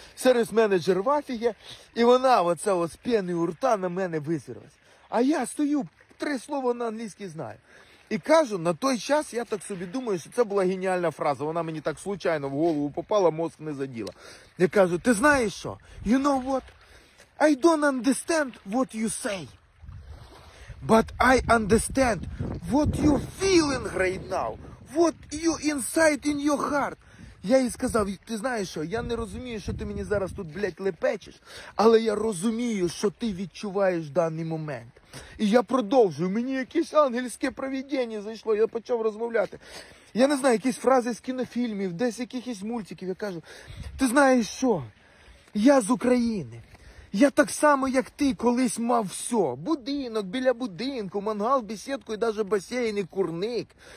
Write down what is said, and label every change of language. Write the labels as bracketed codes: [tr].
[uk] Сервіс-менеджер в афігі, і вона, оце ось п'яний у рта, на мене визвірилась. А я стою, три слова на англійській знаю. І кажу, на той час я так собі думаю, що це була геніальна фраза. Вона мені так случайно в голову попала, мозк не заділа. Я кажу, ти знаєш що? [en] You know what? I don't understand what you say. But I understand what you're feeling right now. What you inside in your heart. [uk] Я їй сказав, ти знаєш що? Я не розумію, що ти мені зараз тут, блядь, лепечеш. Але я розумію, що ти відчуваєш в даний момент. І я продовжую, мені якесь ангельське провідення зайшло, я почав розмовляти. Я не знаю, якісь фрази з кінофільмів, десь якихось мультиків, я кажу, ти знаєш що, я з України, я так само, як ти, колись мав все, будинок біля будинку, мангал, бесідку і навіть басейн і курник.